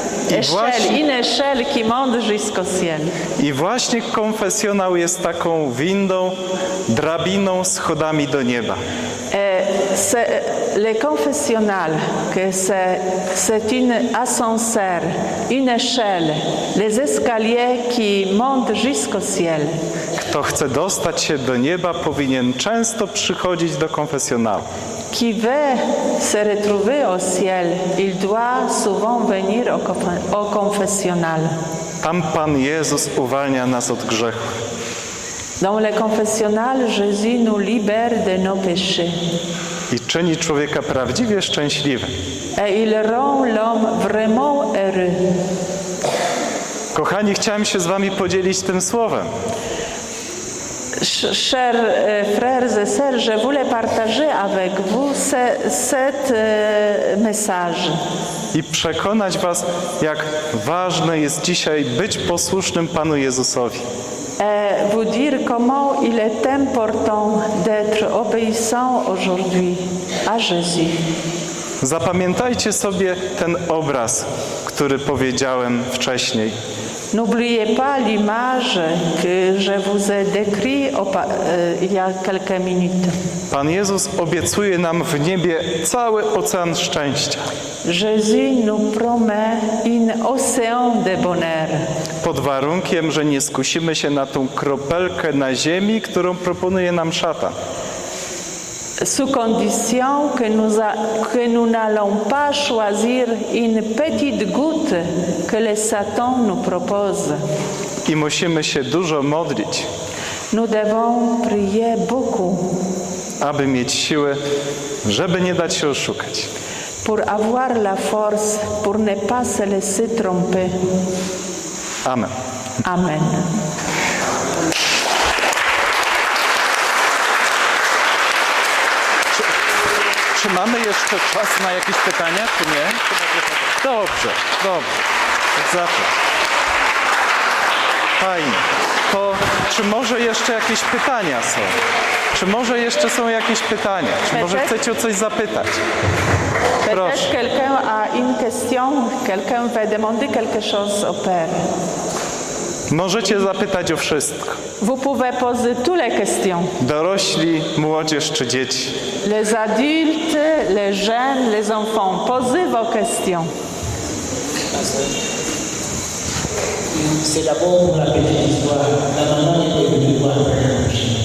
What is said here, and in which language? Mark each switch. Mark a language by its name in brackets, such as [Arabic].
[French] Échelle qui monte jusqu'au ciel. [Polish] I właśnie konfesjonał jest taką windą, drabiną, schodami do nieba. [French] C'est le confessionnal que c'est une ascenseur, une échelle, les escaliers qui montent jusqu'au ciel. [Polish] Kto chce dostać się do nieba, powinien często przychodzić do konfesjonału. [French] Qui veut se retrouver au ciel, il doit souvent venir au confessionnal. [Polish] Tam Pan Jezus uwalnia nas od grzechu. [French] Dans le confessionnal, Jésus nous libère de nos péchés. [Polish] I czyni człowieka prawdziwie szczęśliwym. [French] Et il rend l'homme vraiment heureux. [Polish] Kochani, chciałem się z wami podzielić tym słowem. [French] Chers frères et sœurs, je voulais partager avec vous cet message. [Polish] I przekonać was, jak ważne jest dzisiaj być posłusznym Panu Jezusowi. [French] vous dire comment il est important d'être obéissant aujourd'hui à Jésus. [Polish] Zapamiętajcie sobie ten obraz, który powiedziałem wcześniej. [French] N'oubliez pas l'image que je vous ai décrit il y a quelques minutes. [Polish] Pan Jezus obiecuje nam w niebie cały ocean szczęścia. [French] Jésus nous promet un océan de bonheur. [Polish] Pod warunkiem, że nie skusimy się na tą kropelkę na ziemi, którą proponuje nam szatan. [French] Sous condition que nous n'allons pas choisir une petite goutte que le Satan nous propose. [Polish] I musimy się dużo modlić. [French] Nous devons prier beaucoup. [Polish] Aby mieć siły, żeby nie dać się oszukać. [French] Pour avoir la force, pour ne pas se laisser tromper. [Polish] Amen. [French] Amen. [Polish] Czy mamy jeszcze czas na jakieś pytania, czy nie? Dobrze, dobrze. Zatem. Fajnie. To czy może jeszcze jakieś pytania są? Czy może jeszcze są jakieś pytania? Czy może chcecie o coś zapytać? Proszę. [French] Peut-être quelqu'un a une question, quelqu'un veut demander quelque chose au Père. [Polish] Możecie zapytać o wszystko. [French] Vous pouvez poser toutes les questions. [Polish] Dorośli, młodzież czy dzieci. [French] Les adultes, les jeunes, les enfants, posez vos questions. C'est d'abord la petite histoire. La maman était venue voir un ange.